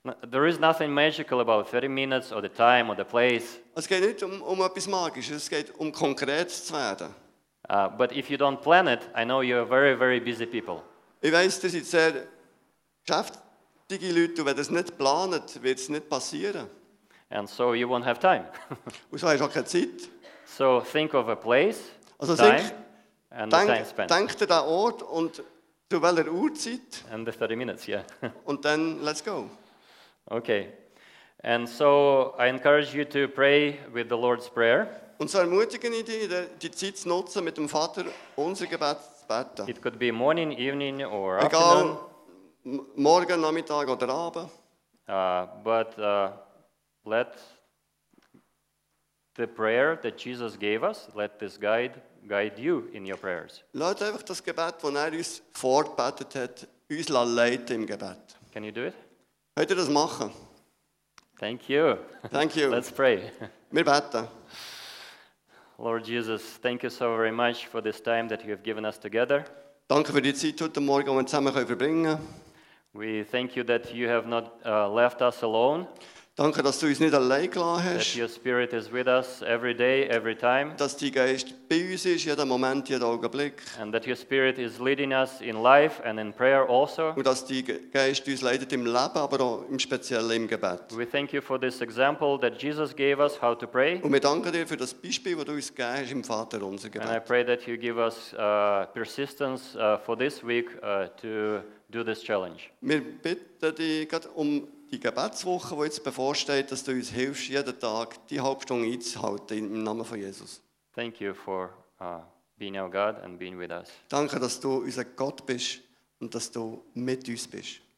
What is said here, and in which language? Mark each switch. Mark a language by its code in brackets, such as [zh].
[en] There is nothing magical about 30 minutes or the time or the place. [de] Es geht nicht um etwas Magisches, es geht um konkret zu werden. [en] But if you don't plan it, I know you're very, very busy people. [de] Ich weiß, das sind sehr geschäftige Leute, und wenn das nicht planet, wird es nicht passieren. [en] And so you won't have time. [de] Und so hast du auch keine Zeit. [en] So think of a place, [de] also [en] time, and the time spent. [de] Denk dir den Ort und zu welcher Uhrzeit. [en] And the 30 minutes, yeah. [de] Und dann [en] let's go. Okay. And so I encourage you to pray with the Lord's Prayer. [de] Und so ermutige ich dich, die Zeit zu nutzen, mit dem Vater unser Gebet zu beten. [en] It could be morning, evening, or [de] egal, [en] afternoon. [de] Morgen, Nachmittag oder Abend. [en] But let the prayer that Jesus gave us, let this guide you in your prayers. [de] Lass einfach das Gebet, das er uns vorgebetet hat, uns leiten im Gebet. [en] Can you do it? [de] Könnt ihr das machen? [en] Thank you. Thank you. Let's pray. [de] Wir beten. [en] Lord Jesus, thank you so very much for this time that you have given us together. [de] Danke für die Zeit heute Morgen, die wir zusammen können verbringen. [en] We thank you that you have not left us alone. [de] Danke, dass du uns nicht allein gelassen hast. [en] That your Spirit is with us every day, every time. [de] Dass dein Geist bei uns ist, jeden Moment, jeden Augenblick. [en] And that your Spirit is leading us in life and in prayer also. [de] Und dass dein Geist uns leitet im Leben, aber auch im Speziellen im Gebet. [en] We thank you for this example that Jesus gave us how to pray. [de] Und wir danken dir für das Beispiel, das du uns gegeben hast im Vater unser Gebet. [en] And I pray that you give us persistence for this week to do this challenge. [de] Wir bitten dich um die Gebetswoche, die jetzt bevorsteht, dass du uns hilfst, jeden Tag die Hauptstunde einzuhalten, im Namen von Jesus. [en] Thank you for being our God and being with us. [de] Danke, dass du unser Gott bist und dass du mit uns bist.